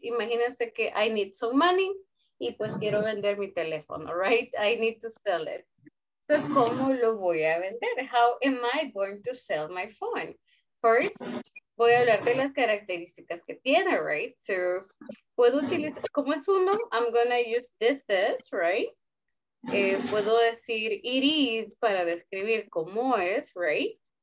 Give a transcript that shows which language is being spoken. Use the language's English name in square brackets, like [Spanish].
[Spanish] Imagínense que [English] I need some money [Spanish] y pues quiero vender mi teléfono, right? [English] I need to sell it. So, [Spanish] ¿cómo lo voy a vender? [English] How am I going to sell my phone? [Spanish] First, voy a hablar de las características que tiene, right? [English] So, [Spanish] puedo utilizar, ¿cómo es uno? [English] I'm going to use this, right? [Spanish] Puedo decir it is para describir cómo es, right?